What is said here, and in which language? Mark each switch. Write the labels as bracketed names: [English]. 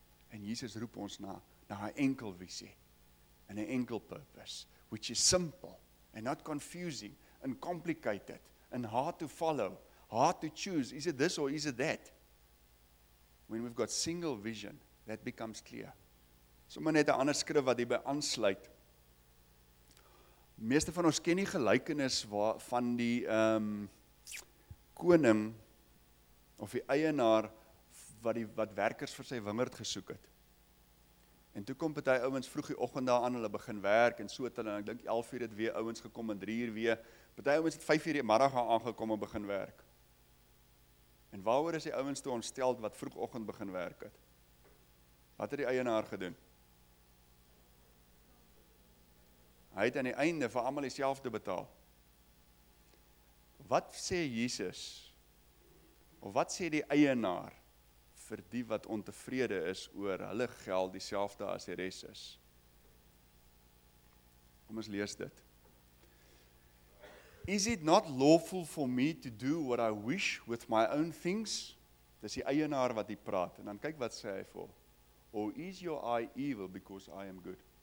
[Afrikaans] En Jesus roep ons na een enkel visie, en een enkel purpose, [English] which is simple, and not confusing, and complicated, and hard to follow, hard to choose, is it this or is it that? When we've got single vision, that becomes clear. [Afrikaans] Sommige net een ander skrif wat hierby aansluit. Meeste van ons ken die gelykenis van die koning, of die eienaar, wat werkers vir sy wingerd gesoek het. En toe kom party ouens vroeg die oggend daar aan, hulle begin werk en so tel, en ek dink 11 uur het weer ouens gekom en 3 uur weer. Party ouens het 5 uur die middag aangekom en begin werk. En waaroor is die ouens toe ontsteld wat vroeg oggend begin werk het? Wat het die eienaar gedoen? Hy het aan die einde vir almal dieselfde betaal. Wat sê Jesus? Of wat sê die eienaar? Vir die wat ontevrede is oor hulle geld, dieselfde as die res is. Kom ons lees dit. [English] Is it not lawful for me to do what I wish with my own things? [Afrikaans] Dis die eienaar wat hier praat, en dan kyk wat sê hy voor. [English] Or is your eye evil because I am good?